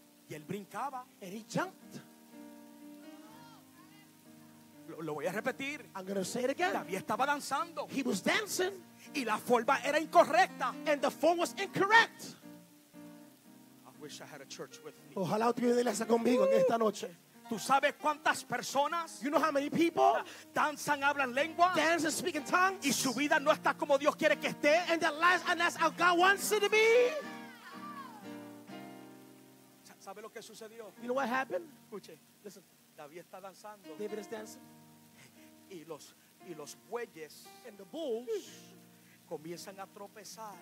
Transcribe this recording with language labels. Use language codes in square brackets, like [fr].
[es] Y él brincaba. [en] And he jumped. [es] Lo voy a repetir. [en] I'm going to say it again. [es] David estaba danzando. [en] He was dancing. [es] Y la forma era incorrecta. [en] And the form was incorrect. I wish I had a church with me. [es] Ojalá tuviera una iglesia conmigo en esta noche. ¿Tú sabes cuántas personas, [en] you know how many people, [es] danzan, hablan lengua, [en] dance and speak in tongues, [es] y su vida no está como Dios quiere que esté, [en] and their lives are not how God wants it to be? [es] ¿Sabe lo que sucedió? [en] You know what happened? [es] Escuche, [en] listen. [es] David está danzando. [en] David is dancing. [es] Y los bueyes, [en] and the bulls, [es] comienzan a tropezar.